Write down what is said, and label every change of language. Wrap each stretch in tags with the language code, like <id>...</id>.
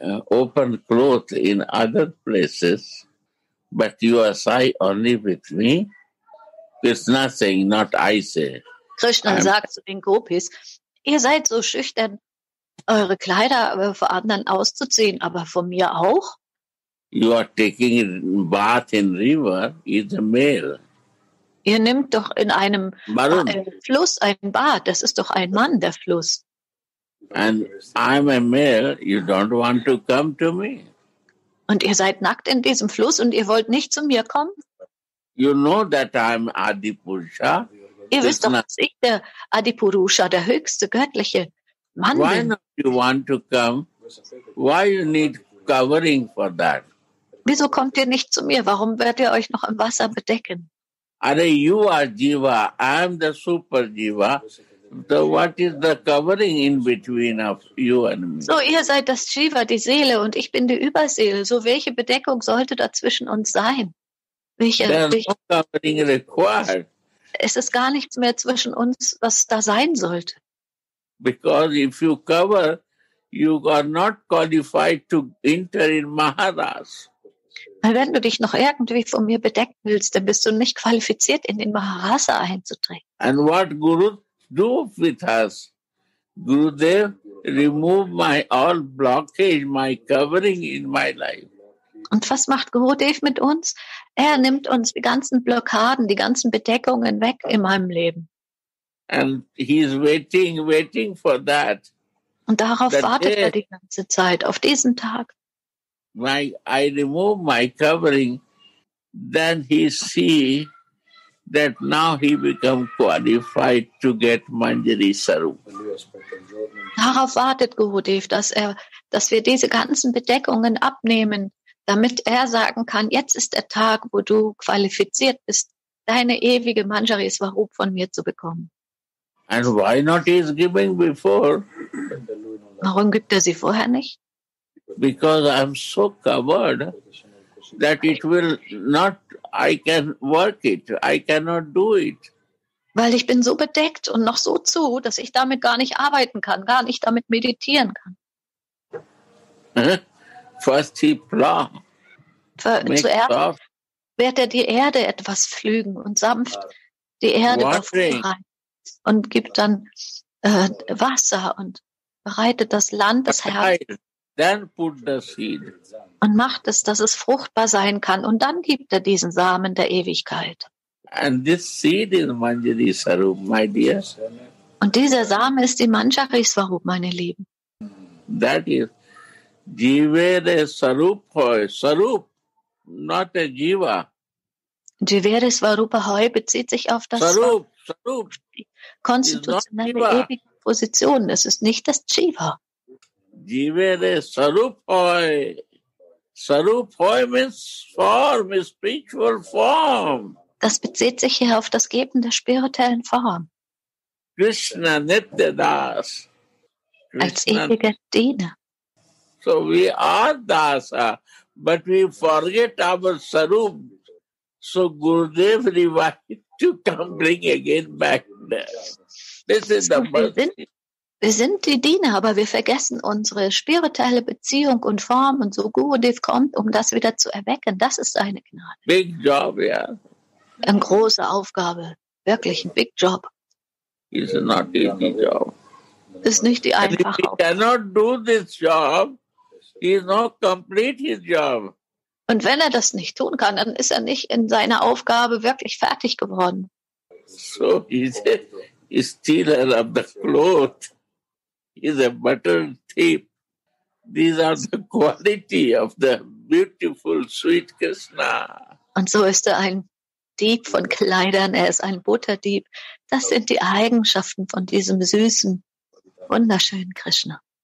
<en>Open clothes in other places, but you are sigh only with me. Krishna saying, not I say.</en> <de>Krishna sagt zu den Gopis, ihr seid so schüchtern, eure Kleider vor anderen auszuziehen, aber von mir auch?</de> <en>You are taking bath in river is a male.</en> <de>Ihr nehmt doch in einem Fluss ein Bad, das ist doch ein Mann, der Fluss.</de> <en>And I'm a male, you don't want to come to me.</en> <de>Und ihr seid nackt in diesem Fluss und ihr wollt nicht zu mir kommen?</de> <en>You know that I'm Adipurusha.</en> <de>Ihr wisst doch, dass ich der Adipurusha, der höchste göttliche Mann</de> <en>Why</en> <de>bin.</de> <en>Why don't you want to come? Why you need covering for that?</en> <de>Wieso kommt ihr nicht zu mir? Warum werdet ihr euch noch im Wasser bedecken?</de> <en>Are you are Jiva, I am the super Jiva. So what is the covering in between of you and me?</en> <de>So ihr seid das Shiva, die Seele, und ich bin die Überseele. So welche Bedeckung sollte dazwischen uns sein?</de> <en>No covering required.</en> <de>Es ist gar nichts mehr zwischen uns, was da sein sollte.</de> <en>Because if you cover, you are not qualified to enter in Maharas.</en> <de>Weil wenn du dich noch irgendwie von mir bedecken willst, dann bist du nicht qualifiziert, in den Maharasa einzutreten.</de> <en>And what Guru do with us. Gurudev, remove my all blockage, my covering in my life.</en> <de>Und was macht Gurudev mit uns? Er nimmt uns die ganzen Blockaden, die ganzen Bedeckungen weg in meinem Leben.</de> <en>And he is waiting for that.</en> <de>Und darauf that wartet day, er die ganze Zeit, auf diesen Tag.</de> <en>I remove my covering, then he see that now he become qualified to get Manjari Sarup.</en> <de>Darauf wartet Gurudev, dass wir diese ganzen Bedeckungen abnehmen, damit er sagen kann, jetzt ist der Tag, wo du qualifiziert bist, deine ewige Manjari Sarup von mir zu bekommen.</de> <en>And why not he is giving before?</en> <de>Warum gibt er sie vorher nicht?</de> <en>Because I'm so covered that it will not, I can work it. I cannot do it.</en> <de>Weil ich bin so bedeckt und noch so zu, dass ich damit gar nicht arbeiten kann, gar nicht damit meditieren kann.</de> <en>First he plows.</en> <de>Zuerst wird er die Erde etwas pflügen und sanft die Erde befreien und gibt dann Wasser und bereitet das Land, das Herz.</de> <en>Then put the seed.</en> <de>Und macht es, dass es fruchtbar sein kann. Und dann gibt er diesen Samen der Ewigkeit.</de> <en>And this seed is Manjari Swarup, my dear.</en> <de>Und dieser Same ist die Manjari Swarup, meine Lieben.</de> <en>That is Jivere Swarup Hoy. Swarup, not a Jiva.</en> <de>Jivere Swarup Hoy bezieht sich auf das Swarup. Konstitutionelle ewige Position. Es ist nicht das Jiva.</de> <en>Jivere Swarup Hoy. Swarup Hoy means form, spiritual form.</en> <de>Das bezieht sich hier auf das Geben der spirituellen Form.</de> <bn>Krishna Nitya Das.</bn> <de>Als ewiger Diener.</de> <en>So we are Dasa, but we forget our Swarup. So Gurudev revived to come bring again back there. This is the mercy.</en> <de>Wir sind die Diener, aber wir vergessen unsere spirituelle Beziehung und Form und so Gurudev kommt, um das wieder zu erwecken. Das ist eine Gnade.</de> <en>Big job, yeah.</en> <de>Eine große Aufgabe. Wirklich ein</de> <en>big job. It's not easy job.</en> <de>Das ist nicht die einfache Aufgabe.</de> <en>He cannot do this job. He is not complete his job.</en> <de>Und wenn er das nicht tun kann, dann ist er nicht in seiner Aufgabe wirklich fertig geworden.</de> <en>So easy. He's stealer of the clothes. He's a butter thief. These are the quality of the beautiful, sweet Krishna.</en> <de>Und so ist er ein Dieb von Kleidern. Er ist ein Butterdieb. Das sind die Eigenschaften von diesem süßen, wunderschönen Krishna.</de>